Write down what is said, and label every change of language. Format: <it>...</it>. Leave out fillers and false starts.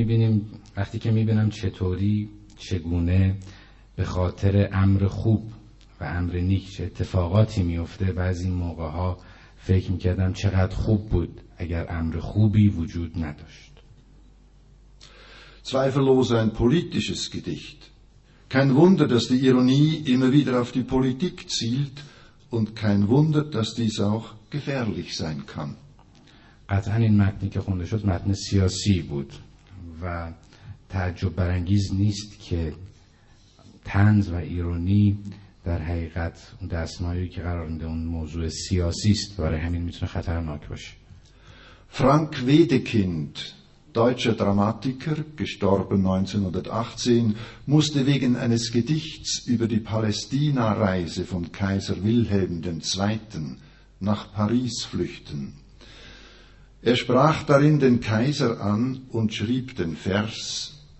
<de>Wenn ich sehe, wie es umgekehrt wird, wegen des Guten</de> <fa>و امر نیک چه اتفاقاتی میفته، بعضی موقع ها فکر میکردم چقدر خوب بود اگر امر خوبی وجود نداشت.</fa> <de>Zweifellos ein politisches Gedicht. Kein Wunder, dass die Ironie immer wieder auf die Politik zielt und kein Wunder, dass dies auch gefährlich sein kann.</de> <fa>قطعا این متنی که خونده شد متن سیاسی بود و تعجب برانگیز نیست که طنز و ایرونی در حقیقت اون دستمایی که قرار میده اون موضوع سیاسی است، برای همین میتونه خطرناک باشه.</fa> <de>فرانک ویدکیند، deutscher Dramatiker, gestorben 1918, musste wegen eines Gedichts über die Palästina-Reise von Kaiser Wilhelm II. Nach Paris flüchten. Er sprach darin den Kaiser an und schrieb den Vers.</de>